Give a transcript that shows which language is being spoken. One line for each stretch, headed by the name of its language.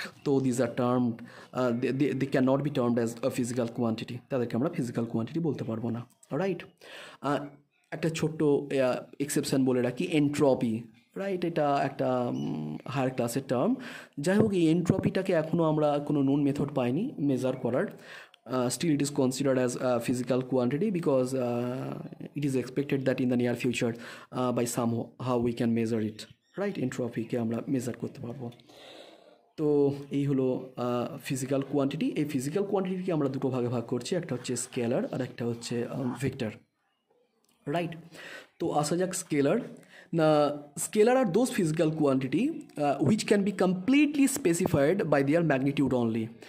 English: তো these are termed, they can not be termed as a physical quantity,
Bangla: তাদেরকে আমরা physical quantity বলতে পারবো না,
English: Right?
Bangla: একটা ছোট্ট এক্সেপশন বলে রাখি, এন্ট্রপি, রাইট? এটা একটা হায়ার ক্লাসের টার্ম। যাই হোক, এই এন্ট্রপিটাকে এখনও আমরা কোনো নোন মেথড পাইনি মেজার করার।
English: Still it is considered as a physical quantity because it is expected that in the near future by somehow we can measure it, right?
Bangla: Entropy ke amra measure korte parbo. তো এই হলো physical quantity. এই physical কোয়ান্টিটিকে আমরা দুটো ভাগে ভাগ করছি, একটা হচ্ছে স্কেলার আর একটা হচ্ছে ভেক্টর, রাইট? তো আসা যাক স্কেলার।
English: না, scalar are those physical quantity which can be completely specified by their magnitude only.